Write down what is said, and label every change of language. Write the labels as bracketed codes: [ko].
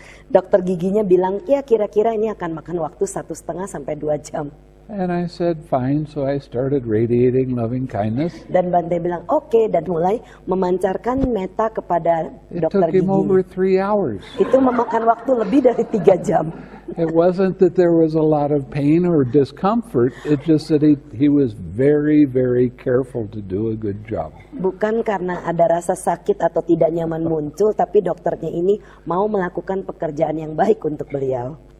[id] Dokter giginya bilang, "Ya, kira-kira ini akan makan waktu 1.5 sampai 2 jam." [en] And I said, "Fine." So I started radiating loving kindness. [id] Dan Bante bilang, "Okay," dan mulai memancarkan meta kepada dokter gigi. [en] It took over 3 hours. [id] Itu memakan waktu lebih dari 3 jam. [en] It wasn't that there was a lot of pain or discomfort. It just that he was very, very careful to do a good job. [id] Bukan karena ada rasa sakit atau tidak nyaman muncul, tapi dokternya ini mau melakukan pekerjaan yang baik untuk beliau.